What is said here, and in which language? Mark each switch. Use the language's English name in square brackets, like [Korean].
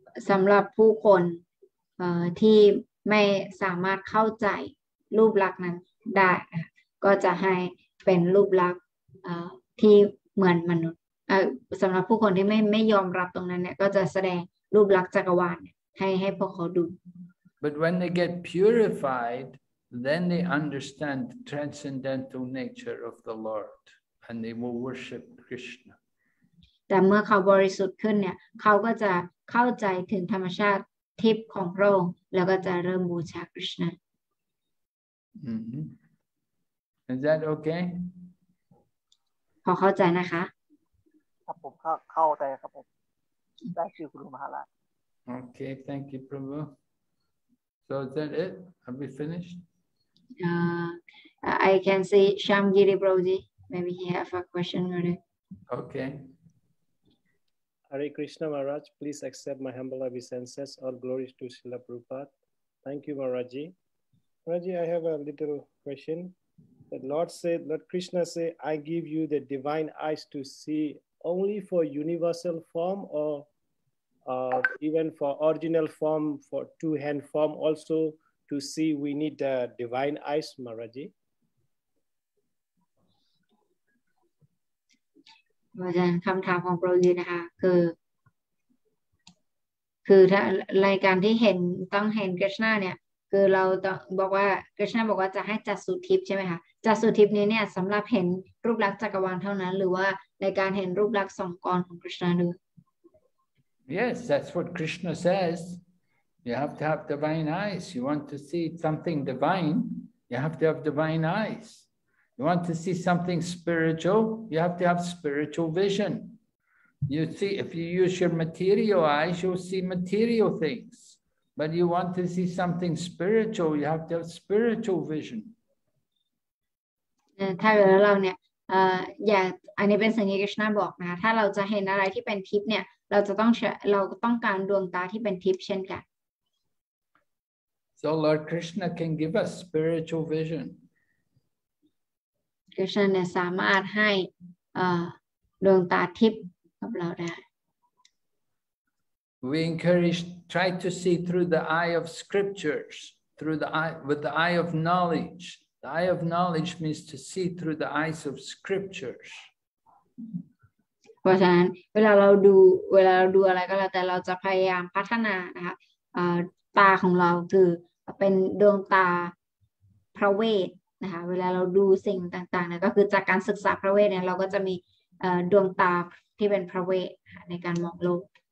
[Thai] สำหรับผู้คนที่ไม่สามารถเข้าใจรูปลักษณ์นั้นได้ก็จะให้เป็นรูปลักษณ์ที่เหมือนมนุษย์สำหรับผู้คนที่ไม่ยอมรับตรงนั้นเนี่ยก็จะแสดงรูปลักษณ์จักรวาลให้พวกเขาดู [English] But when they get purified then they understand the transcendental nature of the Lord and they will worship Krishna [Thai] แต่เมื่อเขาบริสุทธิ์ขึ้นเนี่ยเขาก็จะเข้าใจถึงธรรมชาติทิพย์ของพระองค์แล้วก็จะเริ่มบูชาคริสต์นะ [English] Mm-hmm. Is that okay? [Thai] พอเข้าใจนะคะ ครับผมเข้าใจครับผมได้ชื่อครูมหาราช [English] โอเค thank you Prabhu so is that it have we finished I can see Shyamgiri Prabhuji maybe he have a question already okay Hare Krishna Maharaj, please accept my humble obeisances. All glories to Srila Prabhupada. Thank you, Maharaji. Maharaji, I have a little question. The Lord said, Lord Krishna said, I give you the divine eyes to see only for universal form or even for original form, for two-hand form also to see, we need the divine eyes, Maharaji. [Thai] อาจารย์คำถามของโปรยีนะคะคือถ้ารายการที่เห็นต้องเห็นกฤษณาเนี่ยคือเราต้องบอกว่ากฤษณาบอกว่าจะให้จัดสุทิพย์ใช่ไหมคะจัดสุทิพย์นี้เนี่ยสำหรับเห็นรูปลักษณ์จักรวาลเท่านั้นหรือว่าในการเห็นรูปลักษณ์สองกรของกฤษณาด้วย [English] Yes that's what Krishna says you have to have divine eyes you want to see something divine you have to have divine eyesYou want to see something spiritual, you have to have spiritual vision. You see, if you use your material eyes, you'll see material things. But you want to see something spiritual, you have to have spiritual vision. [Thai] ถ้าเราเนี่ยอย่าอันนี้เป็นสิ่งที่กฤษณาบอกนะถ้าเราจะเห็นอะไรที่เป็นทิพย์เนี่ยเราจะต้องเราต้องการดวงตาที่เป็นทิพย์เช่นกัน [English] So Lord Krishna can give us spiritual vision. [Thai] กฤษณะเนี่ยสามารถให้ดวงตาทิพย์กับเราได้ [English] We encourage try to see through the eye of scriptures through the eye with the eye of knowledge the eye of knowledge means to see through the eyes of scriptures [Thai] เพราะฉะนั้นเวลาเราดูอะไรก็แล้วแต่เราจะพยายามพัฒนานะคะตาของเราคือเป็นดวงตาพระเวทนะคะเวลาเราดูสิ่งต่างๆเนี่ยก็คือจากการศึกษาพระเวทเนี่ยเราก็จะมีดวงตาที่เป็นพระเวทในการมองโลก